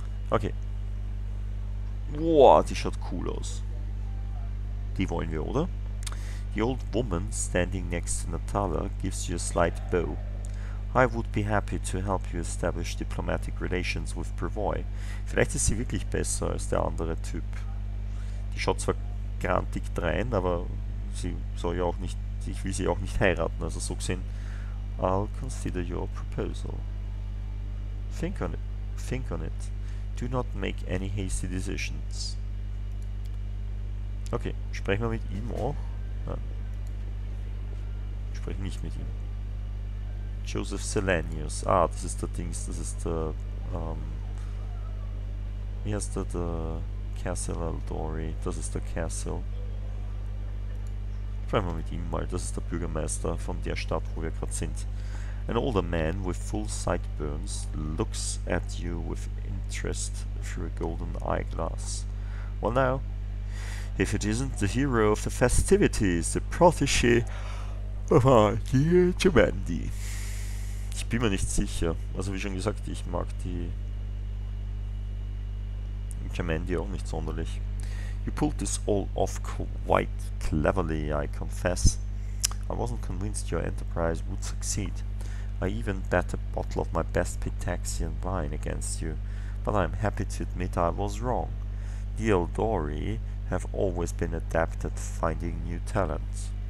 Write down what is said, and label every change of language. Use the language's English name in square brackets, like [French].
[German] Okay. Boah, die schaut cool aus. Die wollen wir, oder? [English] The old woman standing next to Natala gives you a slight bow. I would be happy to help you establish diplomatic relations with Brevoy. [German] Vielleicht ist sie wirklich besser als der andere Typ. Die schaut zwar grantig drein, aber sie soll ja auch nicht, ich will sie auch nicht heiraten, also so gesehen. [English] I'll consider your proposal. Think on it. Do not make any hasty decisions. [German] Okay, sprechen wir mit ihm auch? Nein. Sprechen nicht mit ihm. Joseph Selenius. Ah, das ist der Dings, das ist der... wie heißt der? Der Castle Aldori. Das ist der Castle. Sprechen wir mit ihm mal. Das ist der Bürgermeister von der Stadt, wo wir gerade sind. [English] An older man with full sideburns looks at you with interest through a golden eyeglass. Well now, if it isn't the hero of the festivities, the protege of our dear Jamandi. [German] Ich bin mir nicht sicher. Also wie schon gesagt, ich mag die Jamandi auch nicht sonderlich. [English] You pulled this all off quite cleverly, I confess. I wasn't convinced your enterprise would succeed. I even bet a bottle of my best Pitaxian wine against you, but I'm happy to admit I was wrong. The Eldori have always been adept at finding new talents.